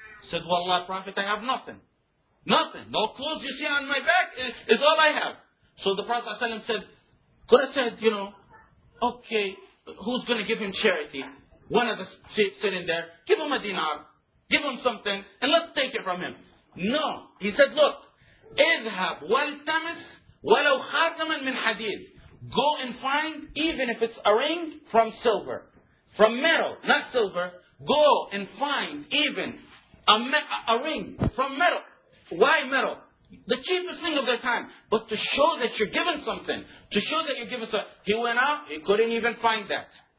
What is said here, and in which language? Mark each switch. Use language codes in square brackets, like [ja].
[en] Said, "Wallah, Prophet, I have nothing. Nothing. No clothes you see on my back is all I have." So the Prophet ﷺ said, could have said, you know, okay, who's going to give him charity? One of the sitting there, give him a dinar, give him something, and let's take it from him. No. He said, look, [ar] اذهب والتمس ولو خاتما من حديد. [en] Go and find, even if it's a ring, from silver. From metal, not silver. Go and find, even a ring from metal. Why metal? The cheapest thing of the time. But to show that you're given something. To show that you're given something. He went out, he couldn't even find that.